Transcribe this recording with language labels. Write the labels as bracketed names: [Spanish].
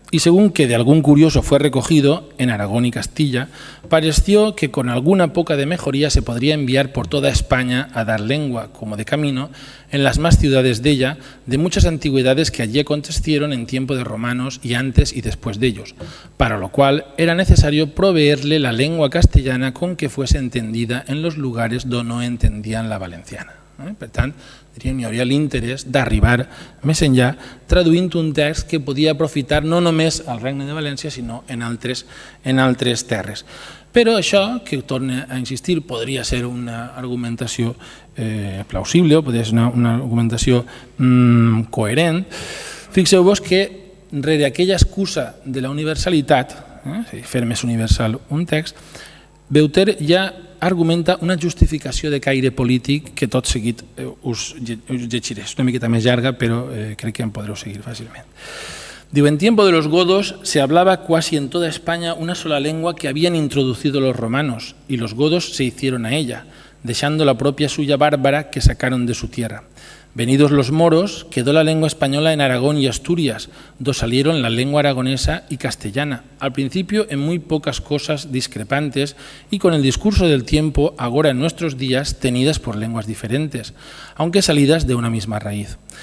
[Spanish] Y según que de algún curioso fue recogido, en Aragón y Castilla, pareció que con alguna poca de mejoría se podría enviar por toda España a dar lengua, como de camino, en las más ciudades de ella, de muchas antigüedades que allí acontecieron en tiempo de romanos y antes y después de ellos, para lo cual era necesario proveerle la lengua castellana con que fuese entendida en los lugares donde no entendían la valenciana. [Catalan] Per tant, diríem, hi hauria l'interès d'arribar més enllà traduint un text que podia aprofitar no només al Regne de València, sinó en altres terres. Però això, que torna a insistir, podria ser una argumentació plausible o podria ser una argumentació coherent. Fixeu-vos que rere aquella excusa de la universalitat, fer més universal un text, Beuter ja argumenta una justificació de caire polític que tot seguit us llegiré. És una miqueta més llarga, però crec que em podreu seguir fàcilment. Diu, [Spanish] en tiempo de los godos se hablaba casi en toda España una sola lengua que habían introducido los romanos, y los godos se hicieron a ella, dejando la propia suya bárbara que sacaron de su tierra. Venidos los moros, quedó la lengua española en Aragón y Asturias, donde salieron la lengua aragonesa y castellana, al principio en muy pocas cosas discrepantes y con el discurso del tiempo, ahora en nuestros días, tenidas por lenguas diferentes, aunque salidas de una misma raíz.